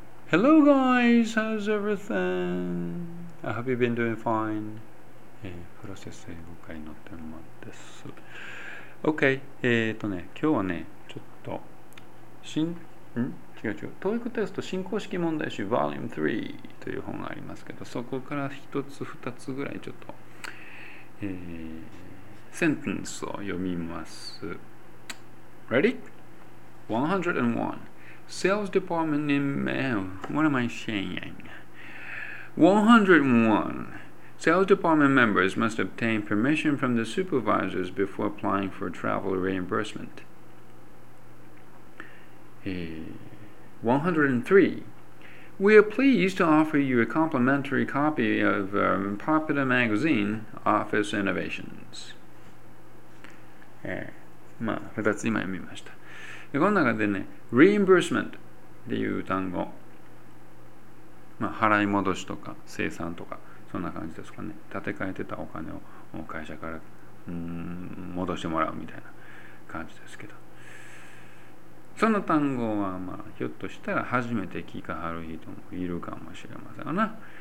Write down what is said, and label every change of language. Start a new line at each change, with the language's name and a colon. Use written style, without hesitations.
English: Hello guys, how's everything? I hope you've been doing fine.
Japanese: プロセス英語会の天満です。OK、今日はね、ちょっと、TOEIC テスト新公式問題集 Volume 3という本がありますけど、そこから一つ二つぐらいちょっと、センテンスを読みます。
English: Ready? 101. Sales department in mail. What am I saying? 101. Sales department members must obtain permission from the supervisors before applying for travel reimbursement. 103. We are pleased to offer you a complimentary copy of our popular magazine, Office Innovations.
Japanese: でこの中でね、reimbursement っていう単語、まあ、払い戻しとか清算とかそんな感じですかね。立て替えてたお金を会社から戻してもらうみたいな感じですけど、その単語はまあひょっとしたら初めて聞かはる人もいるかもしれませんな。